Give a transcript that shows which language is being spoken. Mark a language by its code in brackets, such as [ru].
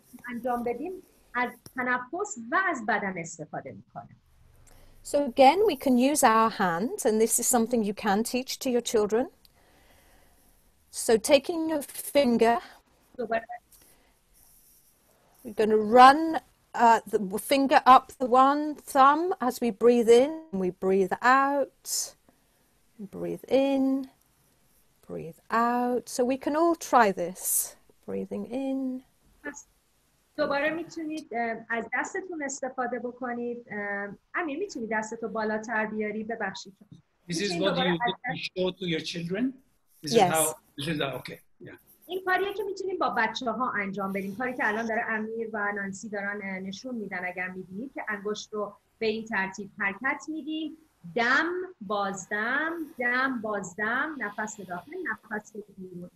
[fa] انجام بدیم از تنفس و از بدن استفاده می‌کنه. [en] So again, we can use our hands, and this is something you can teach to your children. So taking your finger, we're going to run the finger up the one thumb as we breathe in, and we breathe out, breathe in, breathe out. So we can all try this, breathing in. [fa] دوباره میتونید از دستتون استفاده بکنید. امیر میتونی دستتو بالاتر بیاری؟ ببخشید. [en] This is what you show to your children? This yes. This is okay. [fa] این کاریه که میتونیم با بچه ها انجام بدیم. کاری که الان داره امیر و نانسی دارن نشون میدن اگر میبینید که انگشت رو به این ترتیب حرکت میدیم. دم بازدم، دم بازدم، نفس به داخل، نفس به بیرون.